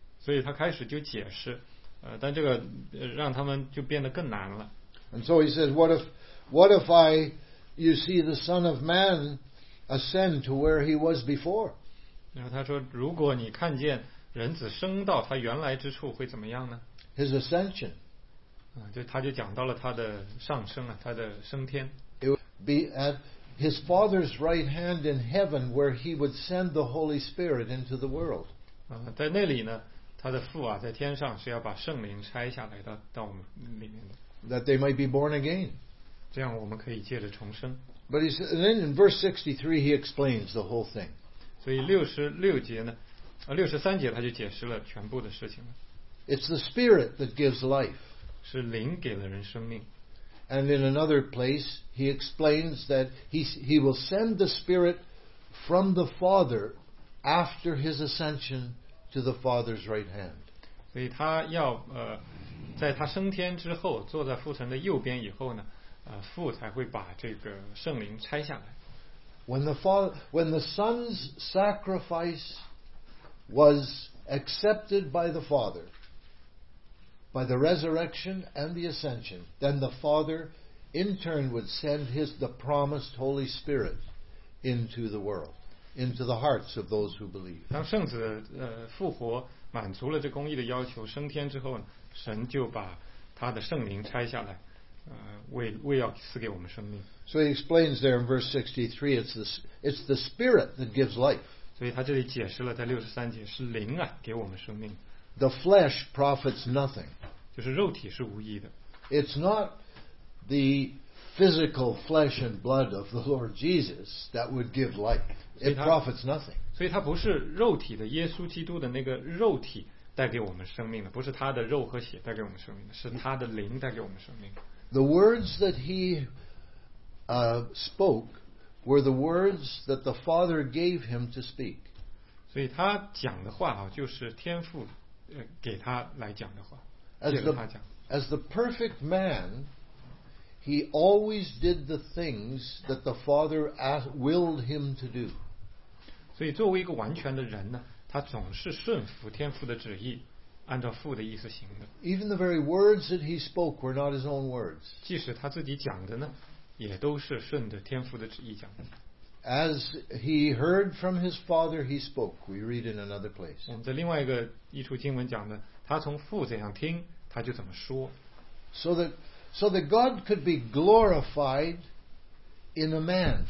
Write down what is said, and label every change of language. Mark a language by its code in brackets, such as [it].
[zh] 所以他开始就解释。但这个让他们就变得更难了。 [en] And so he says, what if you see the Son of Man ascend to where he was before? [zh] 然后他说，如果你看见人子升到他原来之处，会怎么样呢？ [en] His ascension. [zh] 就他就讲到了他的上升啊，他的升天。 [en] It would be at his Father's right hand in heaven, where he would send the Holy Spirit into the world. [zh] 在那里呢。他的父啊，在天上是要把圣灵拆下来到我们里面的。 [en] That they might be born again. [zh] 这样我们可以借着重生。 [en] But he said, and then in verse 63, he explains the whole thing. [zh] 所以66节呢，63节他就解释了全部的事情了。 [en] It's the Spirit that gives life. [zh] 是灵给了人生命。 [en] And in another place, he explains that he will send the Spirit from the Father after his ascension. To the Father's right hand. [zh] 所以他要在他升天之后，坐在父神的右边以后呢，父才会把这个圣灵拆下来。 [en] When the Son's sacrifice was accepted by the Father, by the resurrection and the ascension, then the Father in turn would send the promised Holy Spirit into the world. Into the hearts of those who believe. [zh] 当圣子复活，满足了这公义的要求，升天之后呢，神就把他的圣灵拆下来，为要赐给我们生命。 [en] So he explains there in verse 63, it's the Spirit that gives life. [zh] 所以他这里解释了，在63节是灵啊给我们生命。 [en] The flesh profits nothing. [zh] 就是肉体是无益的。 [en] It's not the physical flesh and blood of the Lord Jesus that would give life. It profits nothing. [zh] 所以它不是肉体的耶稣基督的那个肉体带给我们生命的，不是他的肉和血带给我们生命的，是他的灵带给我们生命。 [en] The words that he spoke were the words that the Father gave him to speak. [zh] 所以他讲的话就是天父给他来讲的话，借着他讲。 [en] As the perfect man. He always did the things that the Father willed him to do. [zh] 所以作为一个完全的人呢，他总是顺服天父的旨意，按照父的意思行的。 [en] Even the very words that he spoke were not his own words. [zh] 即使他自己讲的呢，也都是顺着天父的旨意讲的。 [en] As he heard from his Father, he spoke. We read in another place. [zh] 在另外一个一处经文讲的，他从父怎样听，他就怎么说。 [en] So that God could be glorified in a man.